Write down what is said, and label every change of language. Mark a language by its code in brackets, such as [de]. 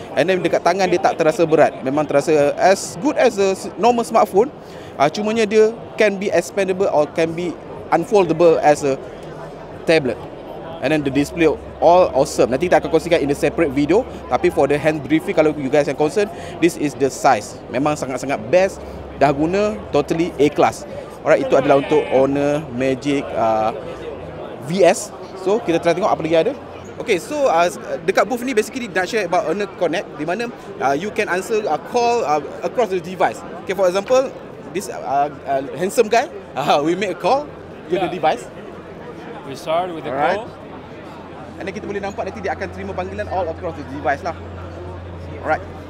[ms] And then dekat tangan dia tak terasa berat. Memang terasa [en] as good as a normal smartphone. [ms] Cumanya dia [en] can be expandable or can be unfoldable as a tablet. And then the display all awesome. [ms] Nanti kita akan kongsikan [en] in a separate video. [ms] Tapi [en] for the hand briefing, [ms] kalau [en] you guys are concerned, this is the size. [ms] Memang sangat-sangat best. Dah guna, [en] totally A-class. [ms] Alright, itu adalah untuk owner Magic VS. So, kita try tengok apa lagi ada. Okay, so dekat booth ni basically nak [en] share about [ms] owner connect. Di mana [en] you can answer a call across the device. Okay, for example, this handsome guy, we make a call to the device. We start with the call. [ms] And then kita boleh nampak nanti dia akan terima panggilan [en] all across the device [ms] lah. Alright.